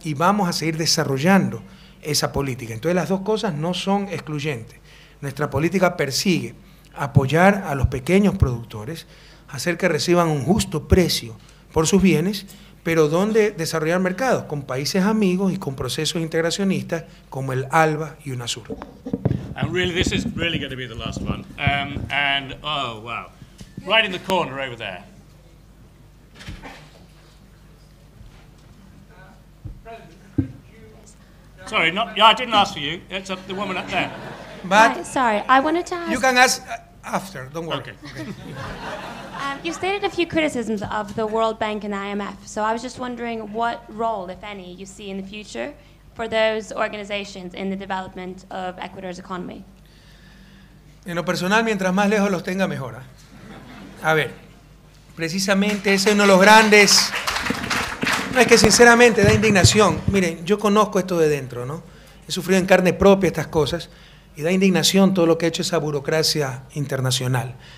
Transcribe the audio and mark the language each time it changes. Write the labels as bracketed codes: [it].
[es] Y vamos a seguir desarrollando esa política. Entonces, las dos cosas no son excluyentes. Nuestra política persigue apoyar a los pequeños productores, hacer que reciban un justo precio por sus bienes, pero ¿dónde desarrollar mercados? Con países amigos y con procesos integracionistas como el ALBA y UNASUR. [en] And really, this is really going to be the last one. And oh, wow. Right in the corner over there. Sorry, not. Yeah, I didn't ask for you. It's the woman up there. But hi, sorry, I wanted to ask. You can ask after, don't worry. Okay. You stated a few criticisms of the World Bank and IMF. So I was just wondering what role, if any, you see in the future for those organizations in the development of Ecuador's economy. [es] En lo personal, mientras más lejos los tenga, mejor. A ver, precisamente ese es uno de los grandes. No, es que sinceramente da indignación. Miren, yo conozco esto de dentro, ¿no? He sufrido en carne propia estas cosas y da indignación todo lo que ha hecho esa burocracia internacional.